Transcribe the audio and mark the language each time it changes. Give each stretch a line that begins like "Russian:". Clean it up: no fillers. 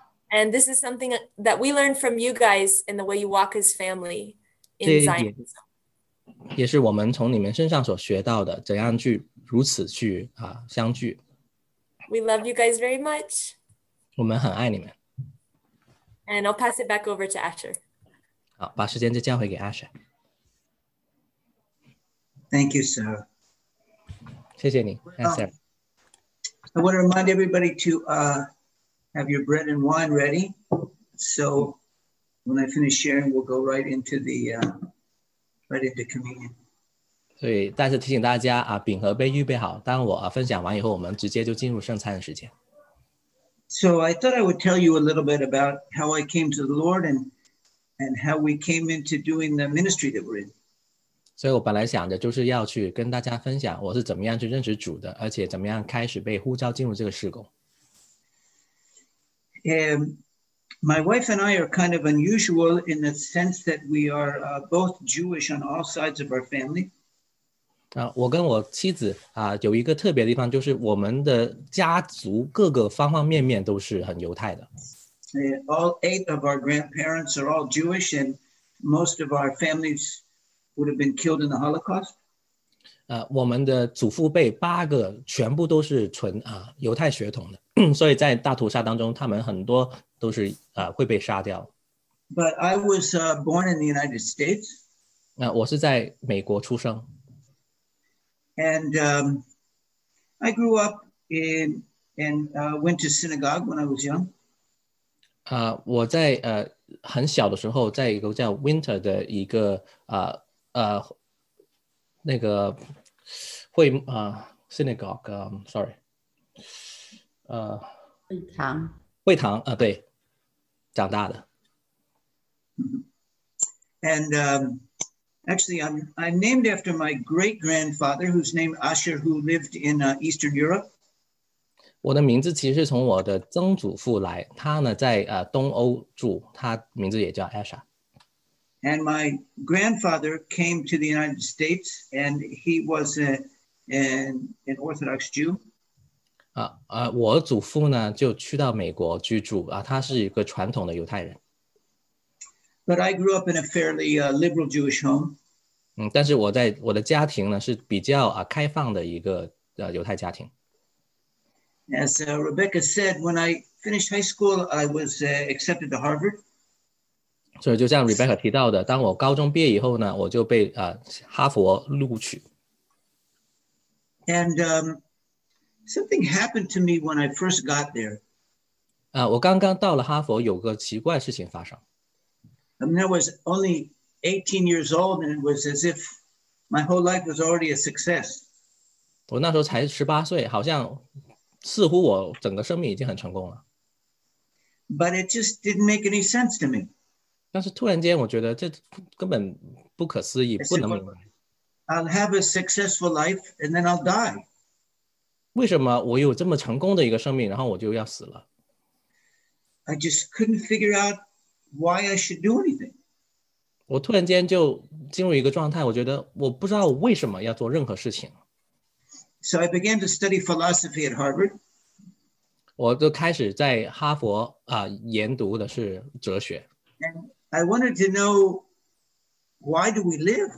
English: And this is something that we learned from you guys in the way you walk as family in Zion.
Chinese: 也是我们从你们身上所学到的，怎样去如此去相聚。
English: We love you guys very much.
Chinese: 我们很爱你们。
English: And I'll pass it back over to Asher.
Chinese: 好，把时间再交回给 Asher。
English: Thank you, sir.
Chinese: 谢谢你 ，Asher。
English: I want to remind everybody to have your bread and wine ready. So when I finish sharing, we'll go right into the communion.
Chinese: 所以再次提醒大家饼和杯预备好，当我分享完以后，我们直接就进入圣餐的时间。
English: So I thought I would tell you a little bit about how I came to the Lord and how we came into doing the ministry that we're in.
Chinese: 所以我本来想着就是要去跟大家分享我是怎么样去认识主的，而且怎么样开始被呼召进入这个事工。
English: My wife and I are kind of unusual in the sense that we are both Jewish on all sides of our family.
Chinese: 我跟我妻子有一个特别的地方，就是我们的家族各个方方面面都是很犹太的。
English: All eight of our grandparents are all Jewish, and most of our families would have been killed in the Holocaust.
Chinese: 我们的祖父辈八个全部都是纯犹太血统的。所以在大屠杀当中，他们很多都是会被杀掉。
English: But I was born in the United States.
Chinese: 我是在美国出生。
English: And I grew up in and went to synagogue when I was young.
Chinese: 我在很小的时候，在一个叫 Winter 的一个那个会
English: synagogue sorry.
Chinese: 会堂，会堂对，长大的。
English: And actually, I'm named after my great grandfather, whose name Asher, who lived in Eastern Europe.
Chinese: 我的名字其实是从我的曾祖父来，他呢在东欧住，他名字也叫 Asher.
English: And my grandfather came to the United States, and he was an Orthodox Jew.
Chinese: 我祖父呢就去到美国居住他是一个传统的犹太人。
English: But I grew up in a fairly liberal Jewish home.
Chinese: 但是我的家庭呢是比较开放的一个犹太家庭。
English: As Rebecca said, when I finished high school, I was accepted to Harvard.
Chinese: 所以就像 Rebecca 提到的，当我高中毕业以后呢，我就被哈佛录取。
English: And something happened to me when I first got there.
Chinese: 我刚刚到了哈佛，有个奇怪事情发生。
English: I mean, I was only 18 years old, and it was as if my whole life was already a success.
Chinese: 我那时候才18岁，好像似乎我整个生命已经很成功了。
English: But it just didn't make any sense to me.
Chinese: 但是突然间，我觉得这根本不可思议，不能明白。
English: I'll have a successful life, and then I'll die.
Chinese: 为什么我有这么成功的一个生命，然后我就要死了？
English: I just couldn't figure out why I should do anything.
Chinese: 我突然间就进入一个状态，我觉得我不知道为什么要做任何事情。
English: So I began to study philosophy at Harvard.
Chinese: 我就开始在哈佛研读的是哲学。
English: And I wanted to know why do we live?